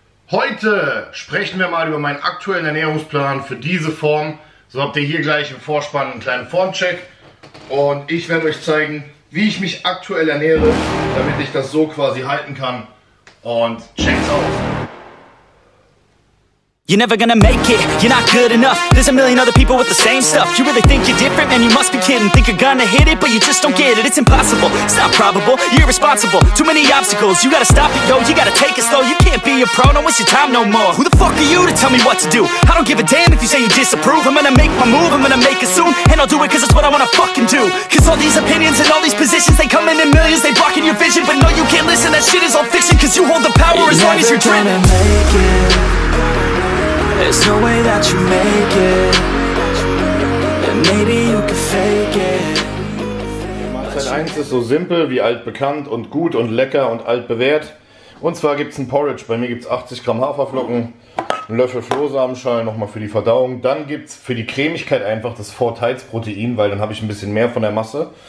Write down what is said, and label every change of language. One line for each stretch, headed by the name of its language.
German: Heute sprechen wir mal über meinen aktuellen Ernährungsplan für diese Form. So habt ihr hier gleich im Vorspann einen kleinen Formcheck. Und ich werde euch zeigen, wie ich mich aktuell ernähre, damit ich das so quasi halten kann. Und checkt's aus!
English: You're never gonna make it, you're not good enough. There's a million other people with the same stuff. You really think you're different, man, you must be kidding. Think you're gonna hit it, but you just don't get it. It's impossible, it's not probable, you're irresponsible. Too many obstacles, you gotta stop it, yo. You gotta take it slow, you can't be a pro. Don't waste your time no more. Who the fuck are you to tell me what to do? I don't give a damn if you say you disapprove. I'm gonna make my move, I'm gonna make it soon. And I'll do it cause it's what I wanna fucking do. Cause all these opinions and all these positions, they come in millions, they blocking your vision. But no, you can't listen, that shit is all fiction. Cause you hold the power as long as you're dreaming. You're never gonna make it. There's no way that you make it. And maybe you can fake it.
German: Mahlzeit 1 ist so simpel wie altbekannt und gut und lecker und altbewährt. Und zwar gibt's ein Porridge. Bei mir gibt's 80 Gramm Haferflocken, einen Löffel Flohsamenschalen nochmal für die Verdauung. Dann gibt's für die Cremigkeit einfach das Vorteilsprotein, weil dann habe ich ein bisschen mehr von der Masse.